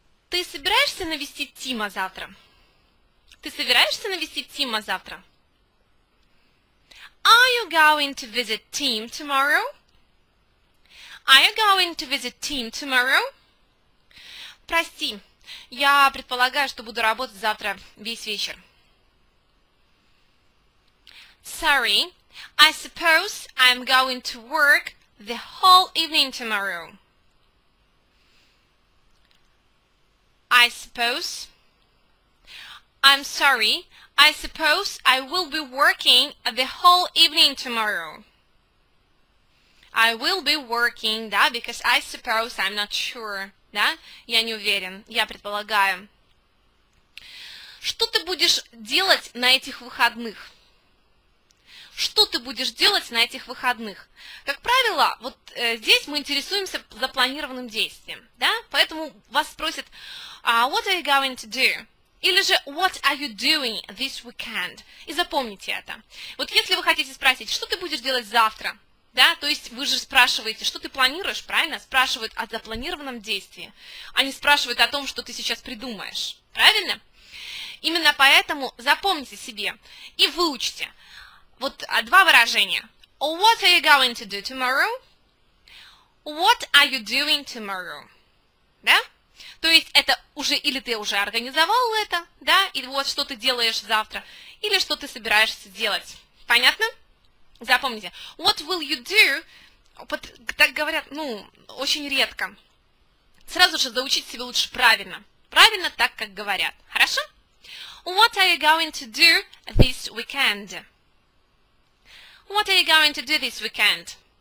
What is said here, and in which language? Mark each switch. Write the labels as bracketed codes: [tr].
[ru] Ты собираешься навестить Тима завтра? Ты собираешься навестить Тима завтра? [en] Are you going to visit Tim tomorrow? Are you going to visit Tim tomorrow? [ru] Прости, я предполагаю, что буду работать завтра весь вечер. [en] Sorry, I suppose I'm going to work the whole evening tomorrow. I suppose. I'm sorry, I suppose I will be working the whole evening tomorrow. I will be working, [ru] да, [en] because I suppose, I'm not sure, [ru] да, я не уверен, я предполагаю. Что ты будешь делать на этих выходных? Что ты будешь делать на этих выходных? Как правило, вот здесь мы интересуемся запланированным действием, да? Поэтому вас спросят, [en] what are you going to do? [ru] Или же, [en] what are you doing this weekend? [ru] И запомните это. Вот если вы хотите спросить, что ты будешь делать завтра, да? То есть вы же спрашиваете, что ты планируешь, правильно? Спрашивают о запланированном действии, а не спрашивают о том, что ты сейчас придумаешь, правильно? Именно поэтому запомните себе и выучите. Вот два выражения. [en] What are you going to do tomorrow? What are you doing tomorrow? [ru] Да? То есть это уже или ты уже организовал это, да? И вот что ты делаешь завтра, или что ты собираешься делать. Понятно? Запомните. [en] What will you do? [ru] Так говорят, ну, очень редко. Сразу же заучить себе лучше правильно. Правильно так, как говорят. Хорошо? [en] What are you going to do this weekend? What are you going to do this weekend?